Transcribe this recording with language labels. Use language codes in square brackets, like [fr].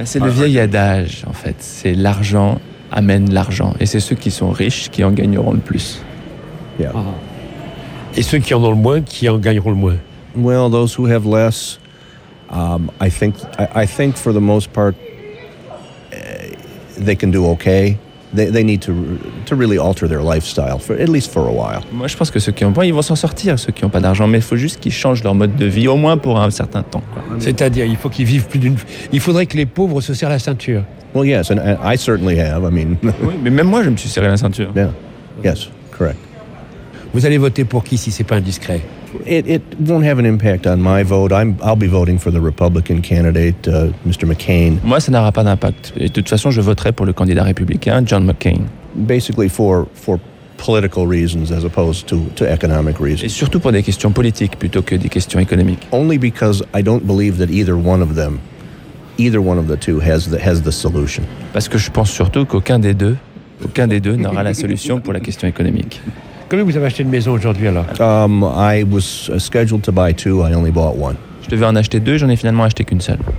[fr] C'est le vieil adage en fait. C'est l'argent amène l'argent, et c'est ceux qui sont riches qui en gagneront le plus. [en] Yeah. Uh-huh. [fr] Et ceux qui en ont le moins qui en gagneront le moins. [en] Well, those who have less, I think for the most part. They can do okay. They need to really alter their lifestyle for at least for a while. [fr] Moi, je pense que ceux qui ont pas, ils vont s'en sortir. Ceux qui ont pas d'argent, mais il faut juste qu'ils changent leur mode de vie au moins pour un certain temps. C'est-à-dire, il faut qu'ils vivent plus d'une. Il faudrait que les pauvres se serrent la ceinture. [en] Well, yes, and I certainly have. I mean. [fr] Oui, mais même moi, je me suis serré la ceinture. [en] Yeah. Yes, correct. [fr] Vous allez voter pour qui si c'est pas indiscret? [en] It won't have an impact on my vote. I'll be voting for the Republican candidate, Mr. McCain. [fr] Moi, ça n'aura pas d'impact. Et de toute façon, je voterai pour le candidat républicain, John McCain. [en] Basically, for political reasons as opposed to economic reasons. [fr] Et surtout pour des questions politiques plutôt que des questions économiques. [en] Only because I don't believe that either one of the two has the solution. [fr] Parce que je pense surtout qu'aucun des deux n'aura la solution pour la question économique. Combien vous avez acheté de maisons aujourd'hui alors? [en] I was scheduled to buy two, I only bought one. [fr] Je devais en acheter deux, j'en ai finalement acheté qu'une seule.